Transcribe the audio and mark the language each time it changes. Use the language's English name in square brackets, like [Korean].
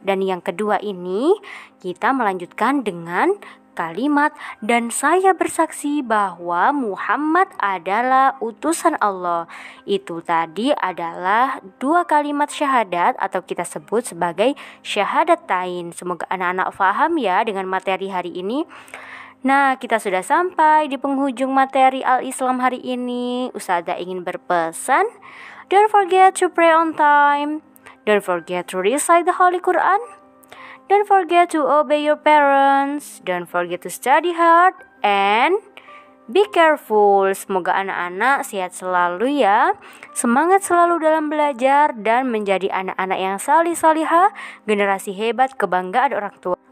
[Indonesian] Dan yang kedua ini kita melanjutkan dengan kalimat dan saya bersaksi bahwa Muhammad adalah utusan Allah. Itu tadi adalah dua kalimat syahadat atau kita sebut sebagai syahadatain. Semoga anak-anak paham ya dengan materi hari ini. Nah, kita sudah sampai di penghujung materi Al-Islam hari ini. Ustazah ingin berpesan, [English] don't forget to pray on time, don't forget to recite the Holy Quran, don't forget to obey your parents, don't forget to study hard, and be careful. [Indonesian] Semoga anak-anak sehat selalu ya. Semangat selalu dalam belajar dan menjadi anak-anak yang salih-salihah, generasi hebat, kebanggaan orang tua.